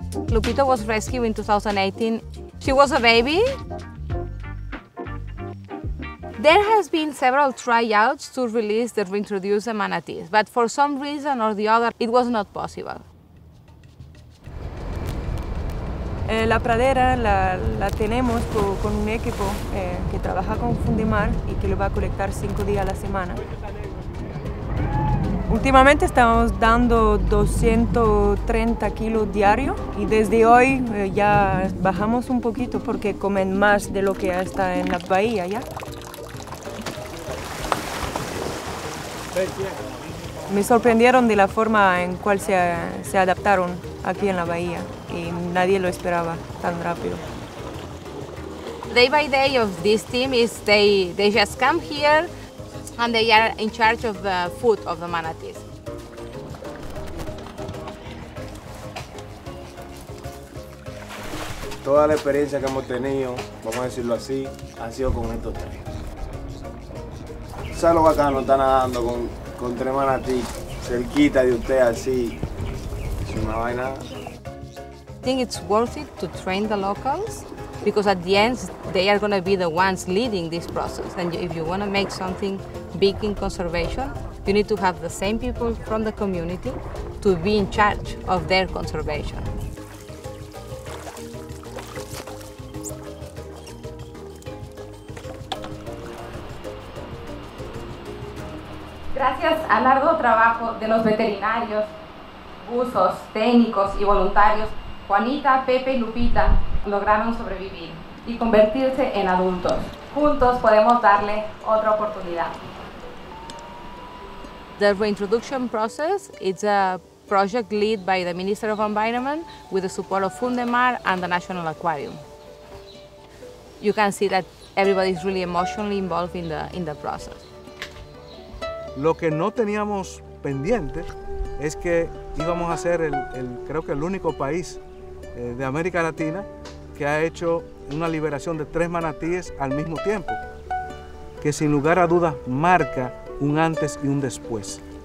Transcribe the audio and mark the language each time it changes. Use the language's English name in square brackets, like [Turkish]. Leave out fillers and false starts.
[English] Lupita was rescued in 2018. She was a baby. There has been several tryouts to release the reintroduced manatees, but for some reason or the other, it was not possible. [Spanish] La pradera la tenemos con un equipo que trabaja con Fundimar y que lo va a colectar 5 días a la semana. Últimamente estamos dando 230 kilos diario y desde hoy ya bajamos un poquito porque comen más de lo que está en la bahía ya. Me sorprendieron de la forma en cual se adaptaron aquí en la bahía y nadie lo esperaba tan rápido. [English] Day by day of this team is they just come here and they are in charge of the food of the manatees. [Spanish] Toda la experiencia que hemos tenido, vamos a decirlo así, ha sido con estos tres. ¿Sabes lo bacano que está nadando con tres manatees cerquita de usted así? Es una vaina. [English] I think it's worth it to train the locals, because at the end, they are going to be the ones leading this process. And if you want to make something big in conservation, you need to have the same people from the community to be in charge of their conservation. [Spanish] Gracias al arduo trabajo de los veterinarios, buzos, técnicos y voluntarios, Juanita, Pepe y Lupita lograron sobrevivir y convertirse en adultos. Juntos podemos darle otra oportunidad. [English] The reintroduction process is a project led by the Minister of Environment with the support of Fundemar and the National Aquarium. You can see that everybody is really emotionally involved in the process. [Spanish] Lo que no teníamos pendiente es que íbamos a ser creo que el único país de América Latina que ha hecho una liberación de tres manatíes al mismo tiempo, que sin lugar a dudas marca un antes y un después.